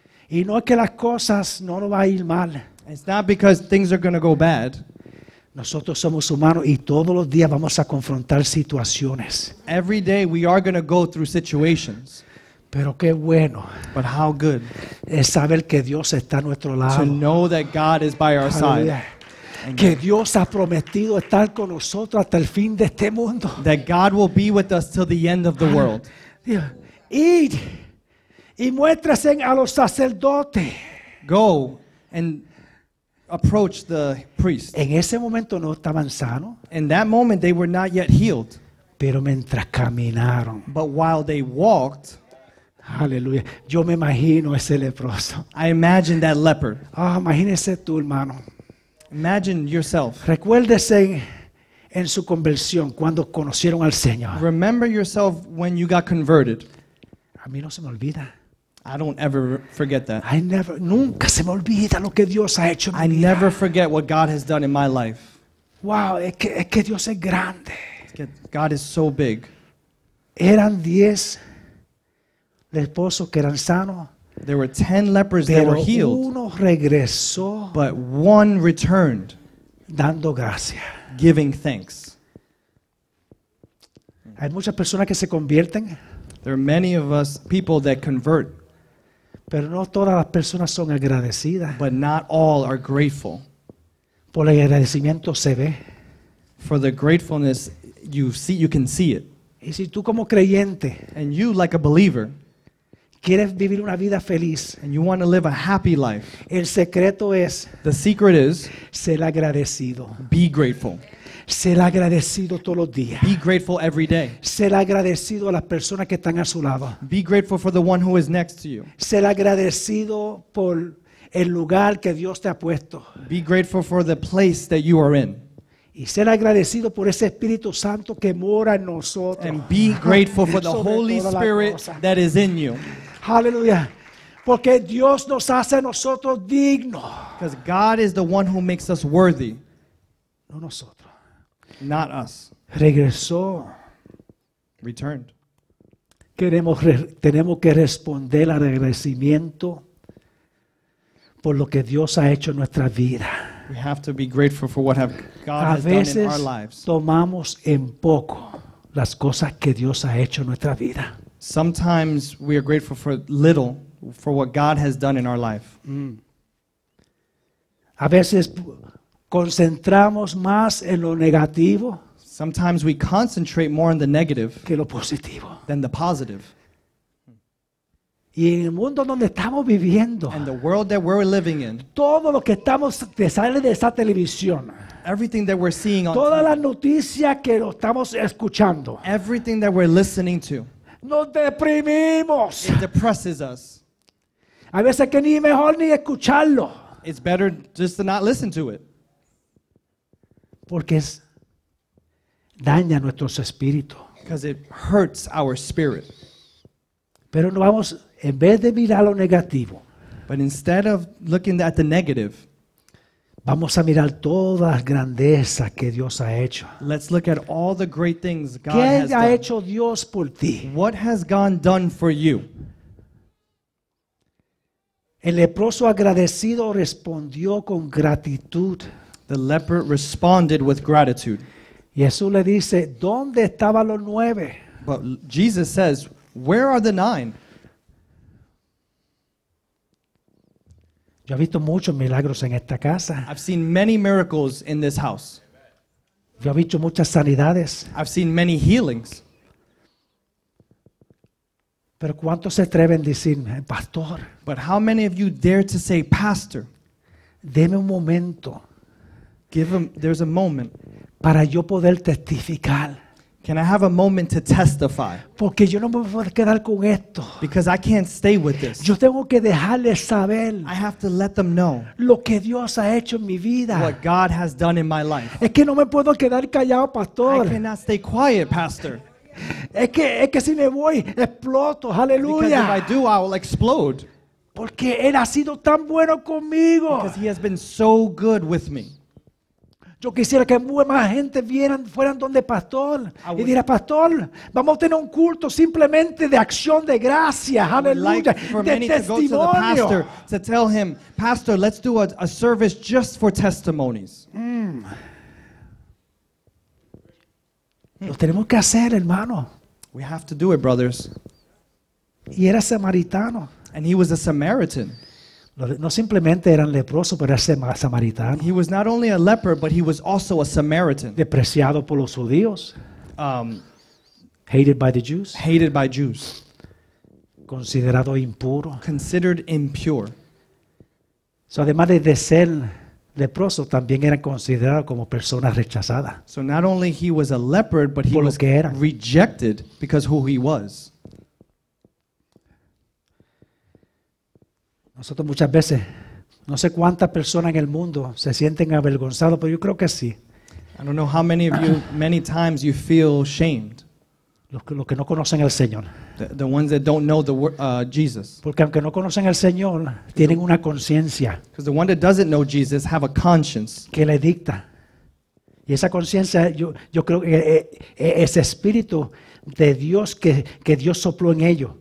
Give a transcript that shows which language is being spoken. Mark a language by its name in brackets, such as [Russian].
[Spanish] Y no es que las cosas no nos va a ir mal. [English] It's not because things are going to go bad. [Spanish] Nosotros somos humanos y todos los días vamos a confrontar situaciones. [English] Every day we are going to go through situations. [Spanish] Pero qué bueno. [English] But how good. [Spanish] Es saber que Dios está a nuestro lado. [English] To know that God is by our Hallelujah. Side. [Spanish] Que Dios ha prometido estar con nosotros hasta el fin de este mundo. [English] That God will be with us till the end of the world. [Spanish] Id y muéstrase a los sacerdotes. [English] Go and approach the priest. [Spanish] En ese momento no estaban sanos. [English] In that moment they were not yet healed. [Spanish] Pero mientras caminaron. [English] But while they walked. [Spanish] Aleluya. Yo me imagino ese leproso. [English] I imagine that leper. [Spanish] Ah, imagínese tú, hermano. [English] Imagine yourself. [Spanish] Recuérdese en su conversión cuando conocieron al Señor. [English] Remember yourself when you got converted. [Spanish] A mí no se me olvida. [English] I don't ever forget that. [Spanish] Nunca se me olvida lo que Dios ha hecho en mi vida. [English] I never forget what God has done in my life. [Spanish] Wow, es que Dios es grande. [English] God is so big. [Spanish] Eran 10 leprosos que eran sanos. [English] There were 10 lepers that were healed. [Spanish] Pero uno regresó. [English] But one returned. [Spanish] Dando gracias. [English] Giving thanks. [Spanish] Hay muchas personas que se convierten. [English] There are many of us people that convert. [Spanish] Pero no todas las personas son agradecidas. [English] But not all are grateful. [Spanish] Por el agradecimiento se ve. [English] For the gratefulness you can see it. [Spanish] Y si tú como creyente, [English] and you like a believer, [Spanish] quieres vivir una vida feliz, [English] and you want to live a happy life, [Spanish] el secreto es, [English] the secret is, [Spanish] ser agradecido. [English] Be grateful. [Spanish] Ser agradecido todos los días. [English] Be grateful every day. [Spanish] Ser agradecido a las personas que están a su lado. [English] Be grateful for the one who is next to you. [Spanish] Ser agradecido por el lugar que Dios te ha puesto. [English] Be grateful for the place that you are in. [Spanish] Y ser agradecido por ese Espíritu Santo que mora en nosotros. [English] And be grateful for the Holy Spirit that is in you. [Spanish] Hallelujah. Porque Dios nos hace a nosotros dignos. [English] Because God is the one who makes us worthy. [Spanish] No nosotros. [English] Not us. [Spanish] Regresó. [English] Returned. [Spanish] Tenemos que responder al agradecimiento por lo que Dios ha hecho en nuestra vida. [English] We have to be grateful for what God has done in our lives. [Spanish] Tomamos en poco las cosas que Dios ha hecho en nuestra vida. [English] Sometimes we are grateful for little for what God has done in our life. [Spanish] A veces concentramos más en lo negativo. [English] Sometimes we concentrate more on the negative [Spanish] que lo positivo. [English] Than the positive. [Spanish] Y en el mundo donde estamos viviendo, [English] and the world that we're living in, [Spanish] todo lo que estamos sale de esa televisión, [English] everything that we're seeing on, [Spanish] todas las noticias que lo estamos escuchando, [English] everything that we're listening to, [Spanish] nos deprimimos. [English] It depresses us. [Spanish] A veces que ni mejor ni escucharlo. [English] It's better just to not listen to it. [Spanish] Porque daña nuestros espíritus. [English] Because it hurts our spirit. [Spanish] Pero no vamos, en vez de mirar lo negativo, [English] but instead of looking at the negative, [Spanish] vamos a mirar todas las grandezas que Dios ha hecho. [English] Let's look at all the great things God [Spanish] ¿qué [English] has [Spanish] ha [English] done? [Spanish] Hecho Dios por ti? [English] What has God done for you? [Spanish] El leproso agradecido respondió con gratitud. [English] The leper responded with gratitude. [Spanish] Jesús le dice, ¿dónde estaban los nueve? [English] But Jesus says, where are the nine? [Spanish] Yo he visto muchos milagros en esta casa. [English] I've seen many miracles in this house. [Spanish] Yo he visto muchas sanidades. [English] I've seen many healings. [Spanish] Pero ¿cuántos se atreven a decir, pastor? [English] But how many of you dare to say, pastor? [Spanish] Deme un momento. [English] There's a moment. [Spanish] Para yo poder testificar. [English] Can I have a moment to testify? [Spanish] Porque yo no me voy a quedar con esto. [English] Because I can't stay with this. [Spanish] Yo tengo que dejarles saber. [English] I have to let them know. [Spanish] Lo que Dios ha hecho en mi vida. [English] What God has done in my life. [Spanish] Es que no me puedo quedar callado, pastor. [English] I cannot stay quiet, pastor. [Spanish] Es que si me voy, exploto. Hallelujah. [English] Because if I do, I will explode. [Spanish] Porque él ha sido tan bueno conmigo. [English] Because he has been so good with me. [Spanish] Yo quisiera que más gente fueran donde pastor y diera pastor, vamos a tener un culto simplemente de acción de gracias, aleluya, de testimonio. [English] To go to the pastor to tell him, pastor, let's do a service just for testimonies. [Spanish] Lo tenemos que hacer, hermano. [English] We have to do it, brothers. [Spanish] Y era samaritano. [English] And he was a Samaritan. [Spanish] No simplemente eran leprosos, pero era samaritano. [English] He was not only a leper, but he was also a Samaritan. [Spanish] Despreciado por los judíos. [English] Hated by the Jews. Hated by Jews. [Spanish] Considerado impuro. [English] Considered impure. [Spanish] So además de ser leproso, también era considerado como persona rechazada. [English] So not only he was a leper, but he was rejected because who he was. [Spanish] Nosotros muchas veces, no sé cuántas personas en el mundo se sienten avergonzados, pero yo creo que sí. [English] I don't know how many of you, many times you feel shamed. [Spanish] Los que no conocen al Señor. [English] The ones that don't know Jesus. [Spanish] Porque aunque no conocen al Señor, tienen una conciencia. [English] Because the one that doesn't know Jesus have a conscience. [Spanish] Que le dicta. Y esa conciencia, yo creo que ese espíritu de Dios que Dios sopló en ellos.